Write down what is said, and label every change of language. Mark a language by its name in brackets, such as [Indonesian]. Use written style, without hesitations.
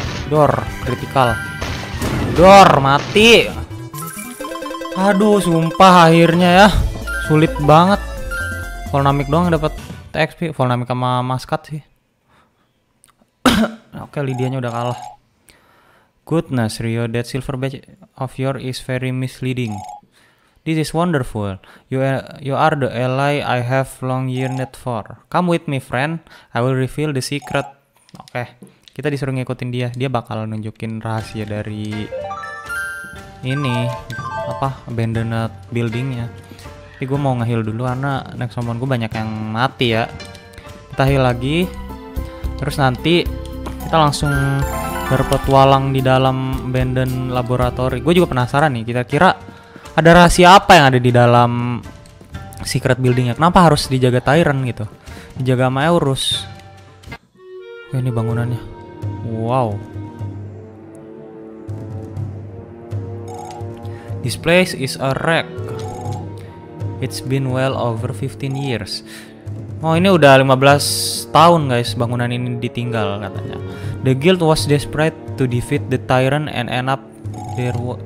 [Indonesian] Dor, critical. Dor, mati. Aduh, sumpah akhirnya ya. Sulit banget. Volnamic doang dapat XP. Volnamic sama Maskat sih. Oke, Lydia-nya udah kalah. [English] Goodness, Rio, that silver badge of yours is very misleading. This is wonderful. You are the ally I have long yearned for. Come with me, friend. I will reveal the secret. [Indonesian] Oke, kita disuruh ngikutin dia. Dia bakal nunjukin rahasia dari ini apa abandoned buildingnya. Tapi gue mau ngeheal dulu karena next summon gue banyak yang mati ya. Kita heal lagi. Terus nanti kita langsung berpetualang di dalam abandoned laboratory. Gue juga penasaran nih, kira-kira ada rahasia apa yang ada di dalam secret buildingnya. Kenapa harus dijaga Tyrant gitu? Dijaga sama Eurus. Ini bangunannya. Wow. [English] This place is a wreck. It's been well over 15 years. [Indonesian] Oh, ini udah 15 tahun guys bangunan ini ditinggal katanya. [English] The guild was desperate to defeat the tyrant and end up their war.